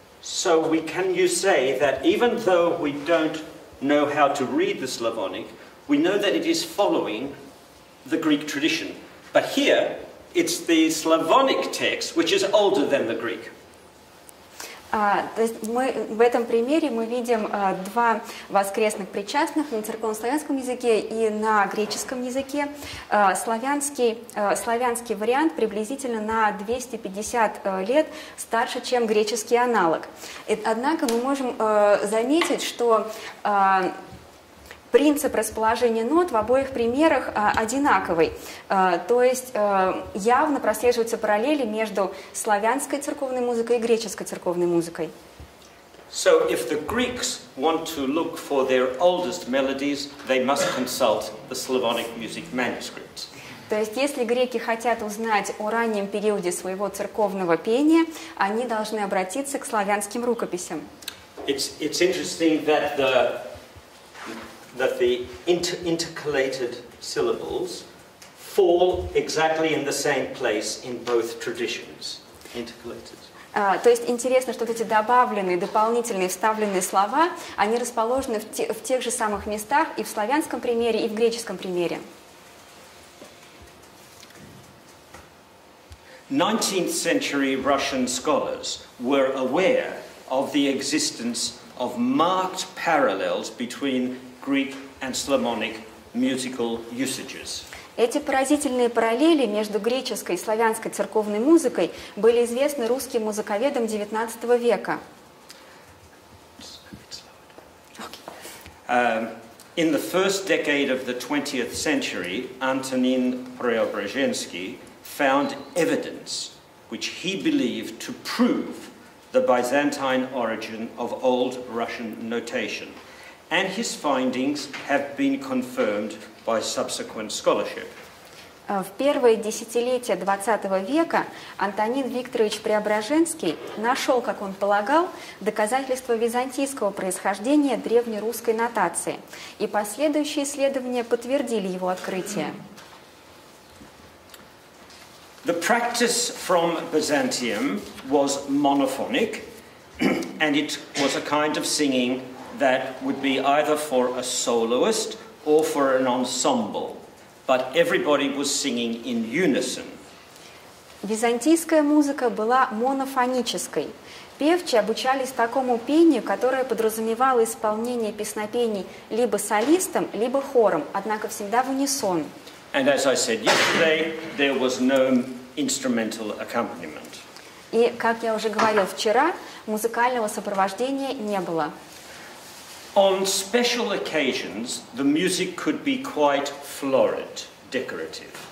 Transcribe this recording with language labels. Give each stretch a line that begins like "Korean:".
English: So we can you say that even though we don't know how to read the Slavonic, we know that it is following the Greek tradition. But here, it's the Slavonic text, which is older than the Greek.
Russian: То есть мы в этом примере мы видим два воскресных причастных на церковнославянском языке и на греческом языке. Славянский вариант приблизительно на 250 лет старше, чем греческий аналог. Однако мы можем заметить, что принцип расположения нот в обоих примерах одинаковый. То есть явно прослеживаются параллели между славянской церковной музыкой и греческой церковной музыкой.
English: So if the Greeks want to look for their oldest melodies, they must consult the Slavonic music manuscripts.
Russian: То есть если греки хотят узнать о раннем периоде своего церковного пения, они должны обратиться к славянским рукописям.
English: It's interesting that the intercalated syllables fall exactly in the same place in both traditions. Intercalated.
Russian: То есть интересно, что вот эти добавленные, дополнительные, вставленные слова, они расположены в тех же самых местах и в славянском примере, и в греческом примере.
English: 19th century Russian scholars were aware of the existence of marked parallels between Greek and Slavonic musical usages.
Russian: Эти поразительные параллели между греческой и славянской церковной музыкой были известны русским музыковедам XIX века.
English: In the first decade of the 20th century, Antonin Preobrazhensky found evidence which he believed to prove the Byzantine origin of old Russian notation. And his findings have been confirmed by subsequent scholarship.
Russian: В первые десятилетия XX века Антонин Викторович Преображенский нашел, как он полагал, доказательства византийского происхождения древнерусской нотации, и последующие исследования подтвердили его открытие.
English: The practice from Byzantium was monophonic, and it was a kind of singing that would be either for a soloist or for an ensemble, but everybody was singing in unison.
Russian: Византийская музыка была монофонической. Певчи обучались такому пению, которое подразумевало исполнение песнопений либо солистом, либо хором, однако всегда в унисон.
English: And as I said yesterday, there was no instrumental accompaniment.
Russian: И, как я уже говорил вчера, музыкального сопровождения не было.
English: On special occasions, the music could be quite florid, decorative.